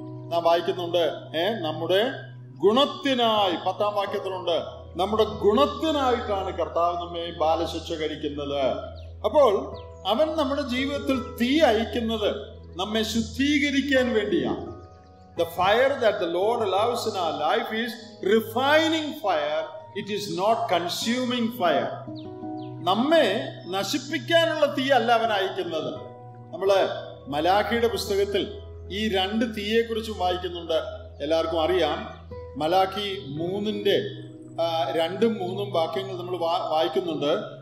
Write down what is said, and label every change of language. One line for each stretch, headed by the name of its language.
Malayalam: നാം വായിക്കുന്നുണ്ട്, നമ്മുടെ ഗുണത്തിനായി, പത്താം വാക്യത്തിലുണ്ട്, നമ്മുടെ ഗുണത്തിനായിട്ടാണ് കർത്താവ് നമ്മെ ബാലശിക്ഷ കഴിക്കുന്നത്. അപ്പോൾ അവൻ നമ്മുടെ ജീവിതത്തിൽ തീ അയക്കുന്നത് നമ്മെ ശുദ്ധീകരിക്കാൻ വേണ്ടിയാണ്.
English: The fire that the Lord allows in our life is refining fire, it is not consuming fire.
Malayalam: നമ്മെ നശിപ്പിക്കാനുള്ള തീ അല്ല അവൻ അയക്കുന്നത്. നമ്മൾ മലാഖിയുടെ പുസ്തകത്തിൽ ഈ രണ്ട് തീയെ കുറിച്ചും വായിക്കുന്നുണ്ട്. എല്ലാവർക്കും അറിയാം, മലാഖി 3:2-3 വാക്യങ്ങൾ നമ്മൾ വായിക്കുന്നുണ്ട്.